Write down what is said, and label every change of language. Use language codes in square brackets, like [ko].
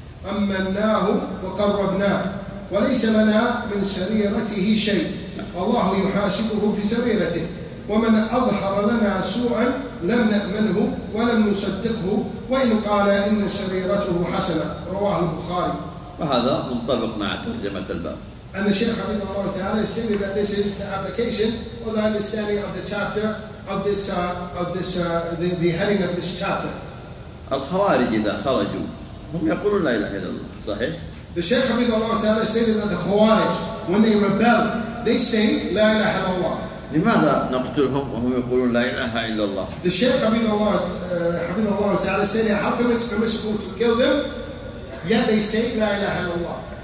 [ar] أمناه وقربناه وليس لنا من سريرته شيء الله يحاسبه في سريرته ومن أظهر لنا سوءا لم نأمنه ولم نصدقه وإن قال إن سريرته حسنة. رواه البخاري. وهذا منطبق مع ترجمة الباب. [en] And the Shaykh Habib Allah Ta'ala is stating that this is the application or the understanding of the chapter of this the heading of this chapter. [ar] الخوارج إذا خرجوا هم يقولون لا إله إلا الله صحيح. [en] The Shaykh Habib Allah Ta'ala stated that the Khawarij, when they rebel, they say [ar] لا إله إلا الله. لماذا نقتلهم وهم يقولون لا إله إلا الله؟ [en] The Shaykh Habib Allah Ta'ala stated how come it's permissible to kill them yet they say [ar] لا إله إلا الله.